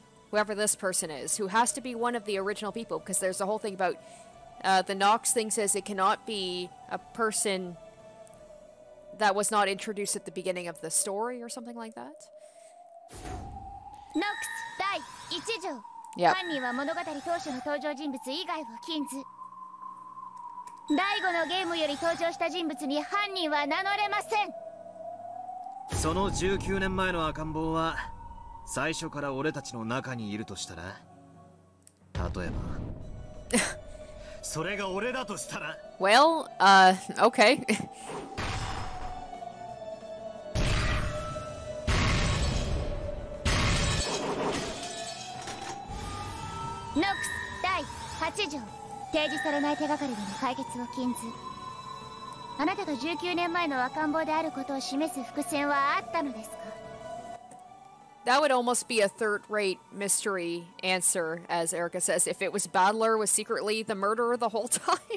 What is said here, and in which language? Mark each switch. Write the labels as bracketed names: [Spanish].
[English] Whoever this person is, who has to be one of the original people, because there's a whole thing about... the Nox thing says it cannot be a person that was not introduced at the beginning of the story or something like that. [Japanese] Nox! 第一条、 [English] yep. [Japanese] 犯人は物語当初の登場人物以外を禁ず。第五のゲームより登場した人物に犯人は名乗れません。その19年前の赤ん坊は最初から俺たちの中にいるとしたら、例えばそれが俺だとしたら、 [English] Well, okay. [Japanese] ノックス第8条、提示されない手がかりでの解決を禁ず。あなたが19年前の赤ん坊であることを示す伏線はあったのですか？ [English] That would almost be a third-rate mystery answer, as Erica says, if it was Badler was secretly the murderer the whole time.